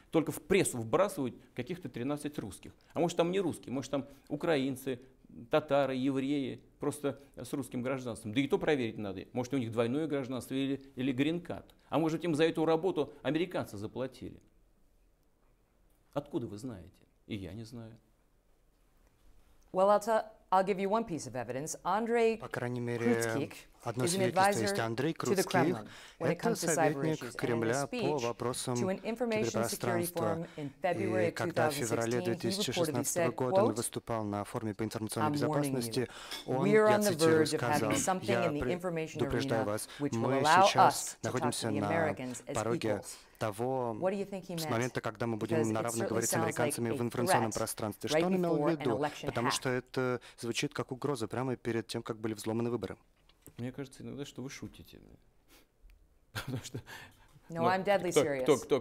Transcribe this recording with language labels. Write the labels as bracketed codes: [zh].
[ru] Только в прессу вбрасывают каких-то 13 русских. А может там не русские, может там украинцы, татары, евреи, просто с русским гражданством. Да и то проверить надо. Может, у них двойное гражданство или грин-карт. А может, им за эту работу американцы заплатили. Откуда вы знаете? И я не знаю. [en] Well, I'll give you one piece of evidence. Andrei Крутских is an advisor to the Kremlin when it comes to cyber issues. And in a speech to an information security forum in February of 2016, he reportedly said, quote, I'm warning you. We are on the verge of having something in the information arena which will allow us to talk to the Americans as people. [ru] Того, с момента, когда мы будем на равных говорить с американцами в информационном пространстве. Что он имел в виду? Потому что это звучит как угроза прямо перед тем, как были взломаны выборы. Мне кажется иногда, что вы шутите. Потому что... [en] No, I'm deadly serious.